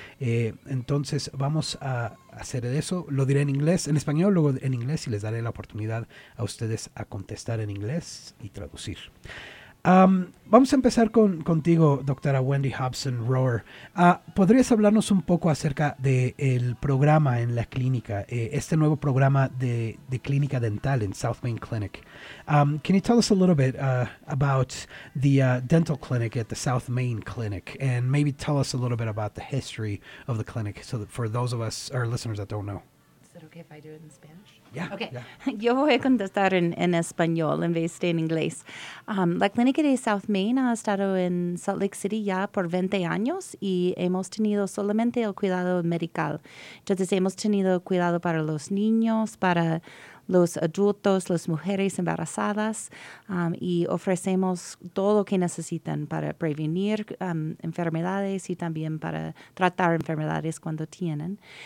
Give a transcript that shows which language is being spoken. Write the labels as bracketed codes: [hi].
[es] Entonces, vamos a hacer eso. Lo diré en inglés, en español, luego en inglés y les daré la oportunidad a ustedes a contestar en inglés y traducir. Vamos a empezar contigo, doctora Wendy Hobson-Rohrer. ¿Podrías hablarnos un poco acerca del programa en la clínica, este nuevo programa de clínica dental en South Main Clinic? [en] Can you tell us a little bit about the dental clinic at the South Main Clinic and maybe tell us a little bit about the history of the clinic so that for those of us, our listeners that don't know? Is it okay if I do it in Spanish? Yeah, [es] okay, yeah. Yo voy a contestar en español en vez de en inglés. La clínica de South Main ha estado en Salt Lake City ya por 20 años y hemos tenido solamente el cuidado medical. Entonces, hemos tenido cuidado para los niños, para los adultos, las mujeres embarazadas, y ofrecemos todo lo que necesitan para prevenir enfermedades y también para tratar enfermedades cuando tienen.